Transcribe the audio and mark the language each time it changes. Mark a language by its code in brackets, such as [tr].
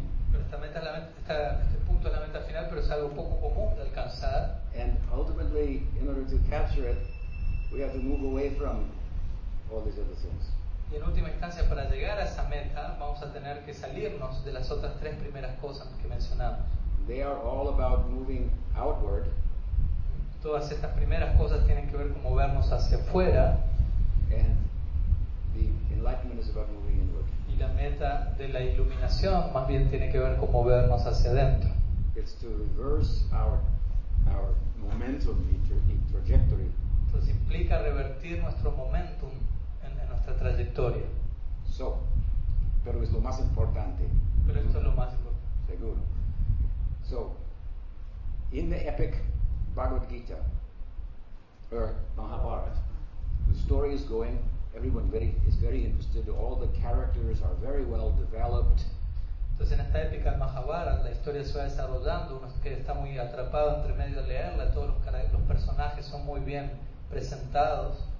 [es] Pero esta meta es la meta, este punto es la meta final, pero es algo poco común de alcanzar. [en] And ultimately, in order to capture it, we have to move away from all these other things. [es] Y en última instancia, para llegar a esa meta, vamos a tener que salirnos de las otras tres primeras cosas que mencionamos. [en] They are all about moving outward. [es] todas estas primeras cosas tienen que ver con movernos hacia afuera. [en] And the enlightenment is about moving inward. [es] Y la meta de la iluminación más bien tiene que ver con movernos hacia adentro. [en] It's to reverse our momentum in trajectory. [es] Entonces implica revertir nuestro momentum en nuestra trayectoria. So, pero es lo más importante. Pero esto es lo más importante. Seguro. [en] So, in the epic Bhagavad Gita, or Mahabharata, the story is going, everyone is very interested, all the characters are very well developed. [es] Entonces en esta épica Mahabharata la historia se va desarrollando, uno que está muy atrapado entre medio de leerla, todos los personajes son muy bien presentados.